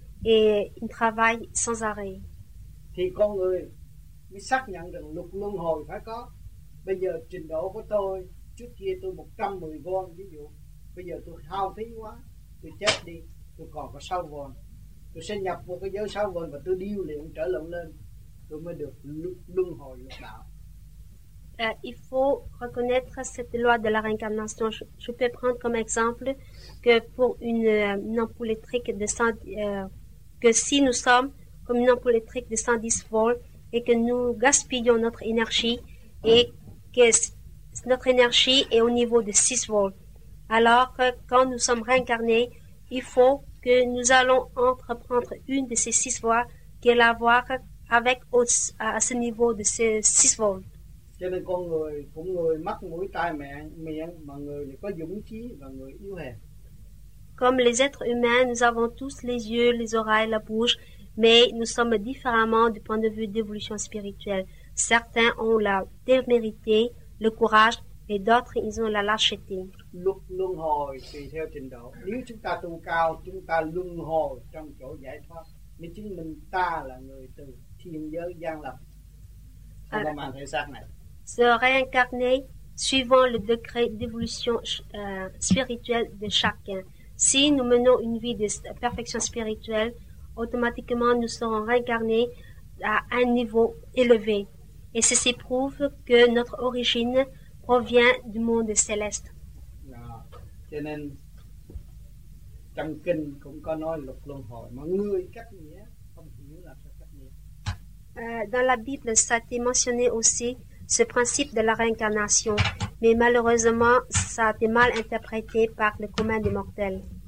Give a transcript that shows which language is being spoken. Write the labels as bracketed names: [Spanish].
[French] Et il travaille sans arrêt. [Vietnamese] Thì con người mới xác nhận rằng luật luân hồi phải có. Bây giờ trình độ của tôi, trước kia tôi 110 von ví dụ, bây giờ tôi hao phí quá, tôi chết đi, tôi còn có 6 von. Tôi sẽ nhập vào cái giới 6 von và tôi điêu luyện trở lên, tôi mới được luân hồi lục đạo. [French] Il faut reconnaître cette loi de la réincarnation. Je peux prendre comme exemple que pour une ampoule électrique de 100, que si nous sommes comme une ampoule électrique de 110 volts et que nous gaspillons notre énergie et que notre énergie est au niveau de 6 volts, alors quand nous sommes réincarnés, il faut que nous allons entreprendre une de ces 6 voies qui est la voie avec à ce niveau de ces 6 volts. [Vietnamese] Cho nên con người cũng người mắt mũi tai miệng mà người có dũng trí và người yếu hèn. [French] Comme les êtres humains, nous avons tous les yeux, les oreilles, la bouche, mais nous sommes différemment du point de vue d'évolution spirituelle. Certains ont la témérité, le courage, et d'autres ils ont la lâcheté. [Vietnamese] Luân hồi tùy theo trình độ. Nếu chúng ta tu cao, chúng ta luân hồi trong chỗ giải thoát. Nếu chính mình ta là người từ thiên giới giáng lâm, không còn mang thể xác này. [French] Se réincarner suivant le degré d'évolution spirituelle de chacun. Si nous menons une vie de perfection spirituelle, automatiquement nous serons réincarnés à un niveau élevé. Et ceci prouve que notre origine provient du monde céleste. [Vietnamese] Cho nên, trong kinh cũng có nói luật luân hồi. Mọi người cách nghĩa, không hiểu là sao cách nghĩa. [French] Dans la Bible, ça a été mentionné aussi ce principe de la réincarnation, mais malheureusement, ça a été mal interprété par le commun des mortels.